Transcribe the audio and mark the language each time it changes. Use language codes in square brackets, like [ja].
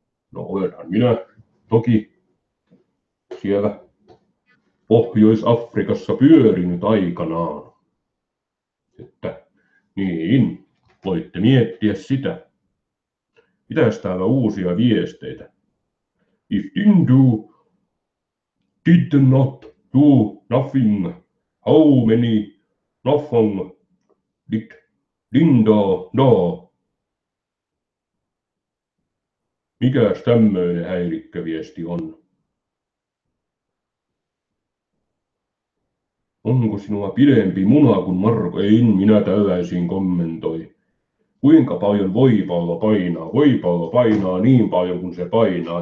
[fi] No olenhan minä toki siellä Pohjois-Afrikassa pyörinyt aikanaan. Että niin, voitte miettiä sitä. Mitäs täällä uusia viesteitä? [en] If Tindu did not do nothing, how many nothing did Linda know? [fi] Mikäs tämmöinen häirikköviesti on? Onko sinulla pidempi muna kuin Marko? Ei, minä tällaisiin kommentoi. Kuinka paljon voipallo painaa? Voipallo painaa niin paljon kuin se painaa.